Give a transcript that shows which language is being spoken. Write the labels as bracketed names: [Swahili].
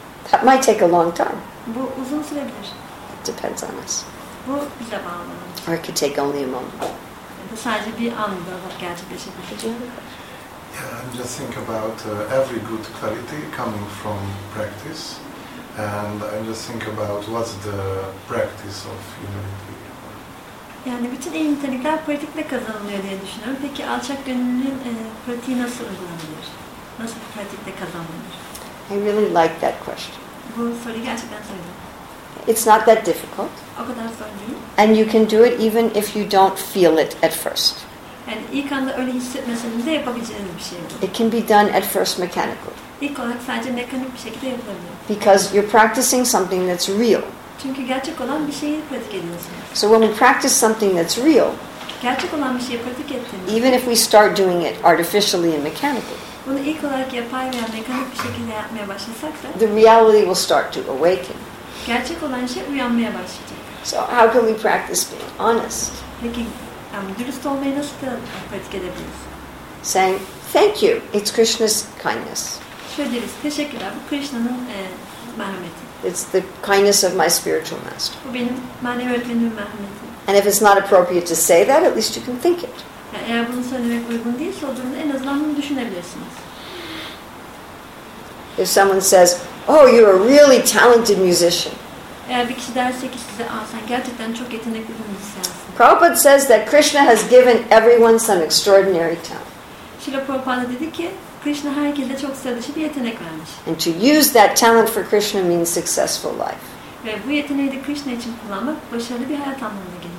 [English] That might take a long time. [Turkish] Bu uzun sürebilir. [English] Depends on us. [Turkish] Bu bize bağlı. [English] Or it could take only a moment. [Turkish] Bu sadece bir anda gerçekleşebilir. [English] Yeah, I'm just thinking about every good quality coming from practice, and I'm just thinking about what's the practice of humility. [Turkish] Yani bütün iyi nitelikler pratikle kazanılıyor diye düşünüyorum. Peki alçak gönüllünün pratiği nasıl uygulanabilir? Nasıl pratikle kazanılır? [English] I really like that question. [Turkish] Bu soru gerçekten sevdim. [English] It's not that difficult. [Turkish] O kadar zor değil. [English] And you can do it even if you don't feel it at first. [Turkish] Yani ilk anda öyle hissetmeseniz de yapabileceğiniz bir şey. [English] It can be done at first mechanically. [Turkish] İlk olarak sadece mekanik bir şekilde yapılabilir. [English] Because you're practicing something that's real. [Turkish] Çünkü gerçek olan bir şeyi pratik ediyorsunuz. [English] So when we practice something that's real, [Turkish] gerçek olan bir şeyi pratik ettiğiniz, [English] even if we start doing it artificially and mechanically, [Turkish] bunu ilk olarak yapay veya mekanik bir şekilde yapmaya başlasak da, [English] the reality will start to awaken. [Turkish] Gerçek olan şey uyanmaya başlayacak. [English] So how can we practice being honest? [Turkish] Peki, dürüst olmayı nasıl pratik edebiliriz? [English] Saying, thank you, it's Krishna's kindness. [Turkish] Şöyle deriz, teşekkürler, bu Krishna'nın merhameti. [English] It's the kindness of my spiritual master. [Turkish] Bu benim manevi öğretmenimin merhameti. [English] And if it's not appropriate to say that, at least you can think it. [Turkish] Yani eğer bunu söylemek uygun değilse o durumda en azından bunu düşünebilirsiniz. [English] If someone says, oh, you're a really talented musician. [Turkish] Eğer bir kişi derse ki size, ah, sen gerçekten çok yetenekli bir müzisyensin. [English] Prabhupada says that Krishna has given everyone some extraordinary talent. [Turkish] Srila Prabhupada dedi ki, Krishna herkese çok sıradışı bir yetenek vermiş. [English] And to use that talent for Krishna means successful life. [Turkish] Ve bu yeteneği de Krishna için kullanmak başarılı bir hayat anlamına gelir.